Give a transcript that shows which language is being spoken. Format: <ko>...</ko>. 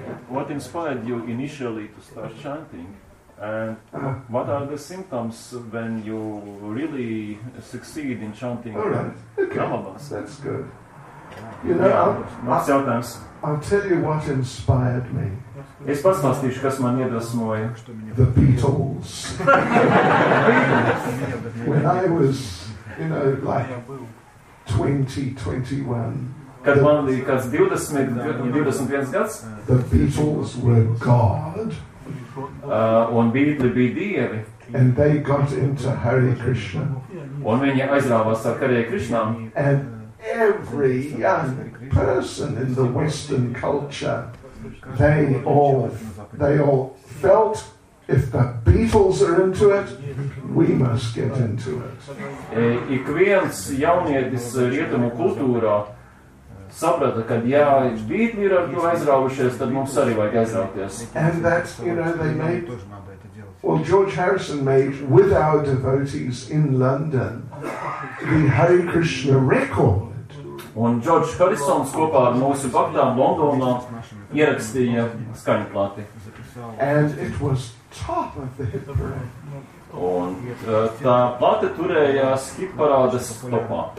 <en>What inspired you initially to start chanting? And what are the symptoms when you really succeed in chanting? All right, okay. Nama bāsnē? That's good. You know, I'll tell you what inspired me.</en> <lv>Es pastāstīšu, kas man iedvesmoja.</lv> <en>The Beatles. When I was, you know, like 20, 21.</en> <lv>Kad man bija 21 gads.</lv> <en>The Beatles were God.</en> <lv>Un Beatle bija Dievi.</lv> <en>And they got into Hare Krishna.</en> <lv>Un viņi aizrāvās ar Hare Krishna.</lv> <en>And every young person in the Western culture, they all felt if the Beatles are into it, we must get into it.</en> <lv>Ik viens jaunietis rietumu kultūrā saprata, ka ja Beatles ir ar to aizraujušies, tad mums arī vajag aizrauties.</lv> <en>And that, you know, they made, well, George Harrison made with our devotees in London the Hare Krishna record.</en> <lv>Un George Harrisons kopā ar mūsu baktām Londonā ierakstīja skaņu plāti.</lv> <en>And it was top of the hit parade.</en> <lv>Un tā plāte turējās hit parādes topā.</lv>